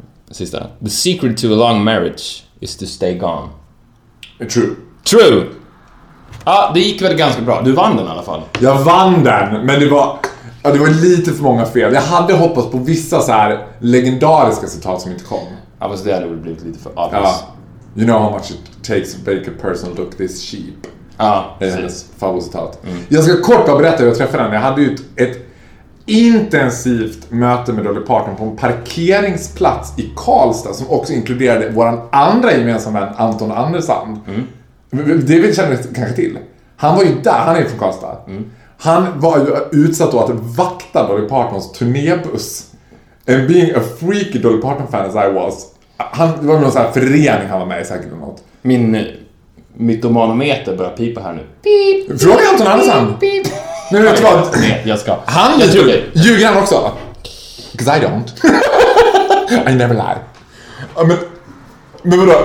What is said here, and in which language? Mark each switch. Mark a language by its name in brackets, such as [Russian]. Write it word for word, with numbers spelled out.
[English] Sista. The secret to a long marriage is to stay gone. True. True. [Swedish] Ja, det gick väl ganska bra. Du vann den i alla fall. Jag vann den, men det var... Ja, det var lite för många fel. Jag hade hoppats på vissa så här legendariska citat som inte kom. Ja, fast det hade väl blivit lite för obvious. Ja. [English] You know how much it takes to make a person look this cheap. [Swedish] Ja, det är hennes favoritcitat. Mm. Jag ska kort bara berätta hur jag träffade henne. Jag hade ju ett, ett intensivt möte med Dolly Parton på en parkeringsplats i Karlstad som också inkluderade våran andra gemensamma vän Anton Andersson. Mm. Det vi känner kanske till. Han var ju där, han är ju från Karlstad. Mm. Han var ju utsatt då att vakta Dolly Partons turnébuss. [English] And being a freaky Dolly Parton fan as I was. [Swedish] Han, det var någon sån här förening han var med i säkert eller något. Min mytomanometer börjar pipa här nu. Beep, fråga Anton Andersson. Nej, vet du vad? Nej, jag ska. Han jag ljuger. Ljuger han också? [English] Because I don't. I never lie. [Swedish] Ja, men... Men vadå?